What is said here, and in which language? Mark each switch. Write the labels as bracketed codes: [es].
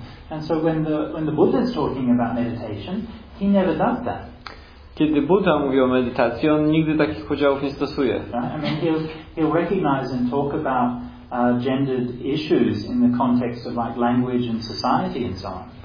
[en] And so when the Buddha is talking about meditation, he never does that. [pl] Kiedy Buddha mówi o medytacji, on nigdy takich podziałów nie stosuje. [en] Right? I mean, he'll recognize and talk about gendered issues in the context of like language and society and so on.